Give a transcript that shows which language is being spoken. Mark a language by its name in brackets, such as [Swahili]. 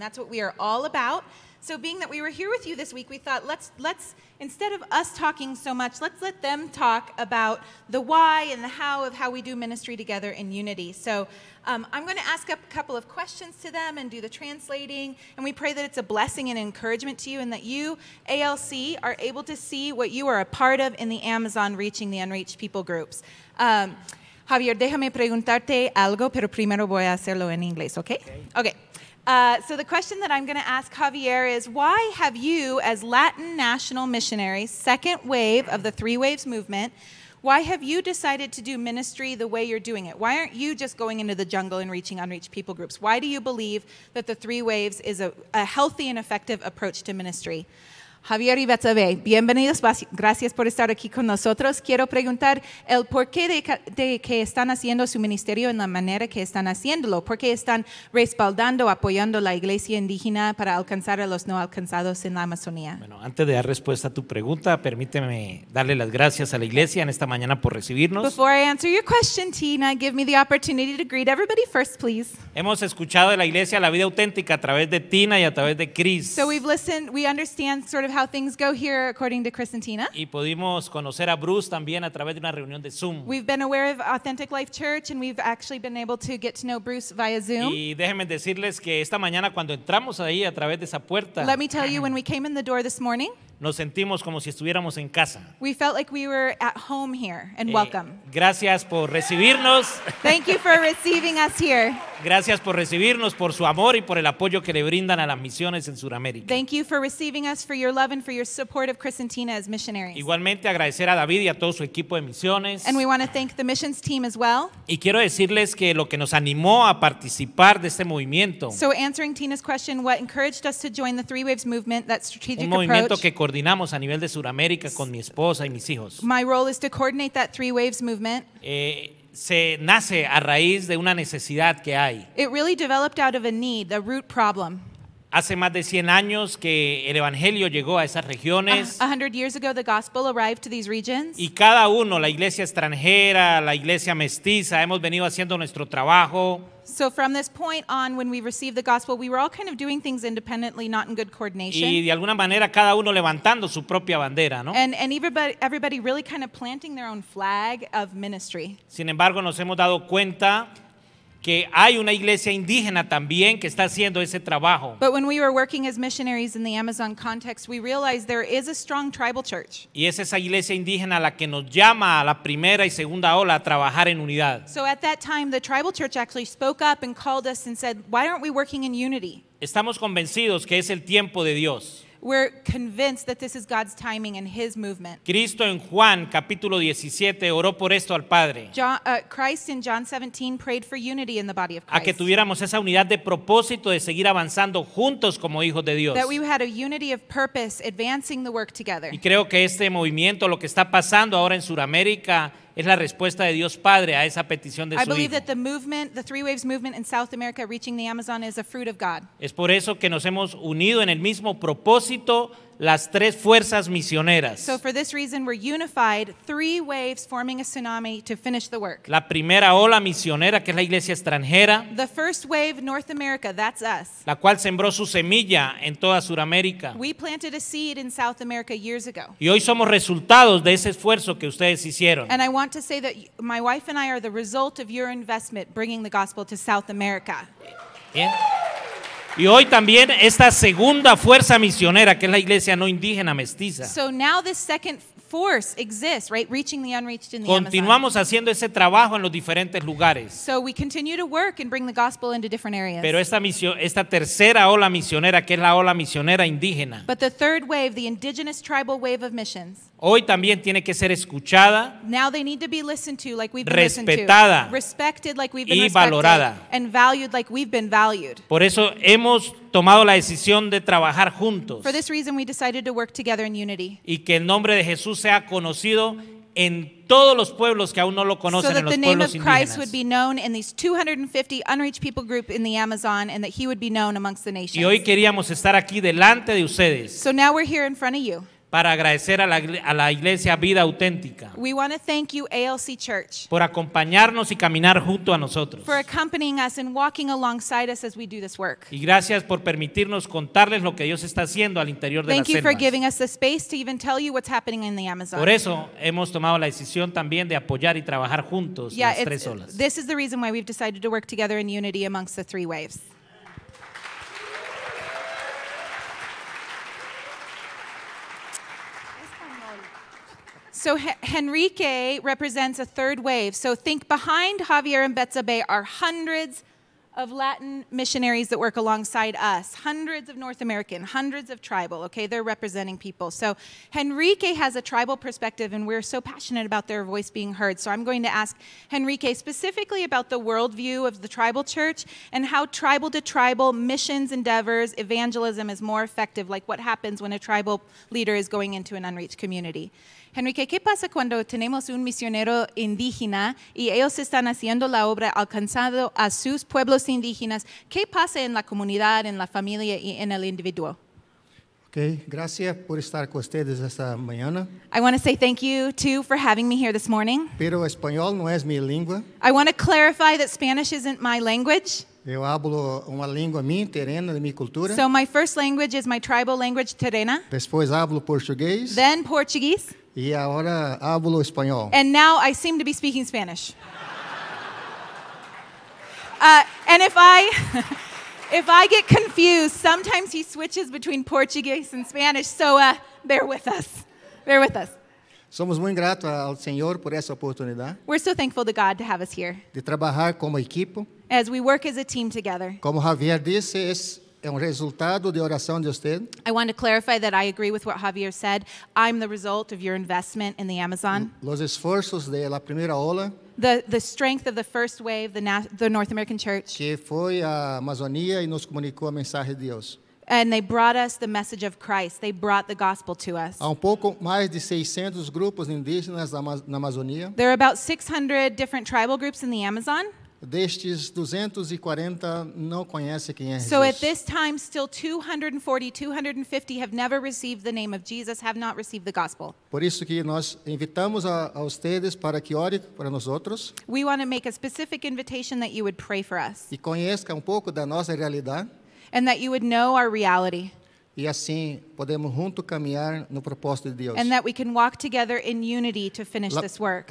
[English] That's what we are all about. So being that we were here with you this week, we thought let's instead of us talking so much, let's let them talk about the why and the how of how we do ministry together in unity. So I'm going to ask up a couple of questions to them and do the translating, and we pray that it's a blessing and encouragement to you, and that you, ALC, are able to see what you are a part of in the Amazon reaching the unreached people groups. [Spanish] Javier, déjame preguntarte algo, pero primero voy a hacerlo en inglés, ¿ok? [English] Okay. So the question that I'm going to ask Javier is, why have you, as Latin national missionaries, second wave of the Three Waves movement, why have you decided to do ministry the way you're doing it? Why aren't you just going into the jungle and reaching unreached people groups? Why do you believe that the Three Waves is a healthy and effective approach to ministry? [Spanish] Javier y Betsabe, bienvenidos. Gracias por estar aquí con nosotros. Quiero preguntar el porqué de que están haciendo su ministerio en la manera que están haciéndolo. ¿Por qué están respaldando, apoyando la iglesia indígena para alcanzar a los no alcanzados en la Amazonía? Bueno, antes de dar respuesta a tu pregunta, permíteme darle las gracias a la iglesia en esta mañana por recibirnos. [English] Before I answer your question, Tina, give me the opportunity to greet everybody first, please. [Spanish] Hemos escuchado de la iglesia la vida auténtica a través de Tina y a través de Chris. [English] So we've listened, we understand sort of how things go here according to Chris and Tina. [Spanish] Y pudimos conocer a Bruce también a través de una reunión de Zoom. [English] We've been aware of Authentic Life Church and we've actually been able to get to know Bruce via Zoom. [Spanish] Y déjenme decirles que esta mañana cuando entramos ahí a través de esa puerta. [English] Let me tell you, when we came in the door this morning. [Spanish] Nos sentimos como si estuviéramos en casa. [English] We felt like we were at home here and welcome. [Spanish] Gracias por recibirnos. [English] Thank you for receiving us here. [Spanish] Gracias por recibirnos, por su amor y por el apoyo que le brindan a las misiones en Sudamérica. [English] Thank you for receiving us, for your love and for your support of Chris and Tina as missionaries. [Spanish] Igualmente agradecer a David y a todo su equipo de misiones. [English] And we want to thank the missions team as well. [Spanish] Y quiero decirles que lo que nos animó a participar de este movimiento. [English] So answering Tina's question, what encouraged us to join the Three Waves movement, that strategic approach. [Spanish] Un movimiento que coordinamos a nivel de Sudamérica con mi esposa y mis hijos. [English] My role is to coordinate that Three Waves movement. [Spanish] Se nace a raíz de una necesidad que hay. [English] It really developed out of a need, a root problem. [Spanish] Hace más de 100 años que el evangelio llegó a esas regiones. [English] 100 years ago the gospel arrived to these regions. [Spanish] Y cada uno, la iglesia extranjera, la iglesia mestiza, hemos venido haciendo nuestro trabajo. [English] So from this point on, when we received the gospel, we were all kind of doing things independently, not in good coordination. [Spanish] Y de alguna manera cada uno levantando su propia bandera, ¿no? [English] And everybody really kind of planting their own flag of ministry. [Spanish] Sin embargo, nos hemos dado cuenta que hay una iglesia indígena también que está haciendo ese trabajo. [English] But when we were working as missionaries in the Amazon context, we realized there is a strong tribal church. [Spanish] Y es esa iglesia indígena la que nos llama a la primera y segunda ola a trabajar en unidad. [English] So at that time, the tribal church actually spoke up and called us and said, "Why aren't we working in unity?" [Spanish] Estamos convencidos que es el tiempo de Dios. [English] We're convinced that this is God's timing and His movement. [Spanish] Cristo en Juan capítulo 17 oró por esto al Padre. [English] Christ in John 17 prayed for unity in the body of Christ. [Spanish] A que tuviéramos esa unidad de propósito de seguir avanzando juntos como hijos de Dios. [English] That we had a unity of purpose advancing the work together. [Spanish] Y creo que este movimiento, lo que está pasando ahora en Sudamérica, es la respuesta de Dios Padre a esa petición de su Hijo. [English] I believe that the movement, the three waves movement in South America reaching the Amazon is a fruit of God. [Spanish] Es por eso que nos hemos unido en el mismo propósito las tres fuerzas misioneras. [English] So for this reason we're unified, three waves forming a tsunami to finish the work. [Spanish] La primera ola misionera, que es la iglesia extranjera. [English] The first wave, North America, that's us. [Spanish] La cual sembró su semilla en toda Sudamérica. [English] We planted a seed in South America years ago. [Spanish] Y hoy somos resultados de ese esfuerzo que ustedes hicieron. [English] And I want to say that my wife and I are the result of your investment bringing the gospel to South America. [Spanish] Bien. Y hoy también esta segunda fuerza misionera, que es la iglesia no indígena mestiza. [English] So now this second force exists, right? Reaching the unreached in the [Spanish] Continuamos [English] Amazon. [Spanish] Haciendo ese trabajo en los diferentes lugares. [English] So we continue to work and bring the gospel into different areas. [Spanish] Pero esta tercera ola misionera, que es la ola misionera indígena. [English] But the third wave, the indigenous tribal wave of missions. [Spanish] Hoy también tiene que ser escuchada. [English] Now they need to be listened to like we've been [Spanish] respetada, [English] listened to. Respected like we've been respected. [Spanish] Y valorada. [English] And valued like we've been valued. [Spanish] Por eso hemos tomado la decisión de trabajar juntos. [English] For this reason we decided to work together in unity. [Spanish] Y que el nombre de Jesús sea conocido en todos los pueblos que aún no lo conocen, en los pueblos indígenas. [English] So that the name of Christ would be known in these 250 unreached people group in the Amazon and that he would be known amongst the nations. [Spanish] Y hoy queríamos estar aquí delante de ustedes. [English] So now we're here in front of you. [Spanish] Para agradecer a la Iglesia Vida Auténtica. [English] We want to thank you, ALC Church. [Spanish] Por acompañarnos y caminar junto a nosotros. [English] For accompanying us and walking alongside us as we do this work. [Spanish] Y gracias por permitirnos contarles lo que Dios está haciendo al interior [English] thank [Spanish] de las [English] Thank you for giving us the space to even tell you what's happening in the Amazon. [Spanish] Por eso hemos tomado la decisión también de apoyar y trabajar juntos las tres olas. [English] This is the reason why we've decided to work together in unity amongst the three waves. So Henrique represents a third wave. So think behind Javier and Betsabe are hundreds of Latin missionaries that work alongside us. Hundreds of North American, hundreds of tribal, okay? They're representing people. So Henrique has a tribal perspective and we're so passionate about their voice being heard. So I'm going to ask Henrique specifically about the worldview of the tribal church and how tribal to tribal missions endeavors, evangelism is more effective, like what happens when a tribal leader is going into an unreached community. [Spanish] Henrique, ¿qué pasa cuando tenemos un misionero indígena y ellos están haciendo la obra alcanzando a sus pueblos indígenas? ¿Qué pasa en la comunidad, en la familia y en el individuo? Okay, gracias por estar con ustedes esta mañana. [English] I want to say thank you too for having me here this morning. [Spanish] Pero español no es mi lengua. [English] I want to clarify that Spanish isn't my language. [Spanish] Yo hablo una lengua mía, terrena, de mi cultura. [English] So my first language is my tribal language, terrena. [Spanish] Después hablo portugués. [English] Then Portuguese. [Spanish] Y ahora hablo español. [English] And now I seem to be speaking Spanish. And if I get confused, sometimes he switches between Portuguese and Spanish. So bear with us. Bear with us. [Spanish] Somos muy gratos al Señor por esa oportunidad. [English] We're so thankful to God to have us here. [Spanish] De trabajar como equipo. [English] As we work as a team together. [Spanish] Como Javier dice, es un resultado de oración de usted. [English] I want to clarify that I agree with what Javier said. I'm the result of your investment in the Amazon. [Spanish] Los esfuerzos de la primera ola. [English] The strength of the first wave, the North American Church. Que fue a Amazonía y nos comunicó el mensaje de Dios. And they brought us the message of Christ. They brought the gospel to us. [Portuguese] Há pouco mais de 600 grupos indígenas na Amazonia. [English] There are about 600 different tribal groups in the Amazon. [Portuguese] Destes 240 não conhece quem é Jesus. [English] So at this time, still 240, 250 have never received the name of Jesus, have not received the gospel. [Portuguese] Por isso que nós [Spanish] invitamos a ustedes para que ore [Portuguese] para nós outros. [English] We want to make a specific invitation that you would pray for us. [Portuguese] E conheça pouco da nossa realidade. [English] And that you would know our reality. [Portuguese] E assim podemos junto caminhar no propósito de Deus. [English] And that we can walk together in unity to finish this work.